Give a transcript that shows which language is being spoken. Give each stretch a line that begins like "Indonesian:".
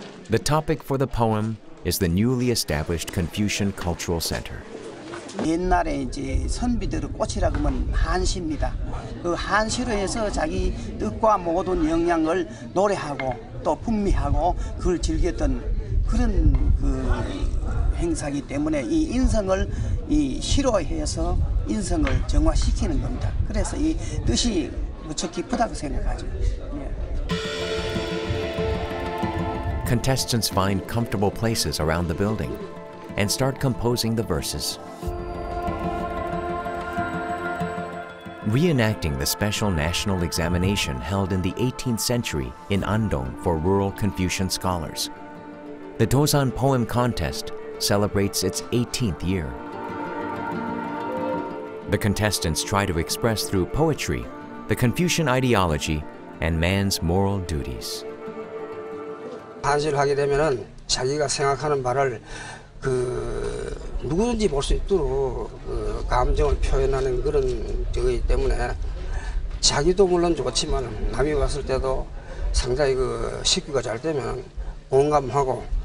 English: The topic for the poem is the newly established Confucian Cultural Center.
Korean: 옛날에 이제 선비들의 꽃이라고 하면 한시입니다. 그 한시로 해서 자기 뜻과 모든 영향을 노래하고 또 풍미하고 그걸 즐겼던 그런 그 행사이기 때문에 이 인성을 이 시로 해서 인성을 정화시키는 겁니다. 그래서 이 뜻이 무척 깊다고 생각하죠.
English: Contestants find comfortable places around the building and start composing the verses. Reenacting the special national examination held in the 18th century in Andong for rural Confucian scholars, the Joseon Poem Contest celebrates its 18th year. The contestants try to express through poetry the Confucian ideology and man's moral duties.
Korean: 한시를 하게 되면은 자기가 생각하는 말을 그 누구든지 볼 수 있도록 그 감정을 표현하는 그런 것이기 때문에 자기도 물론 좋지만 남이 봤을 때도 상당히 그 식구가 잘 되면 공감하고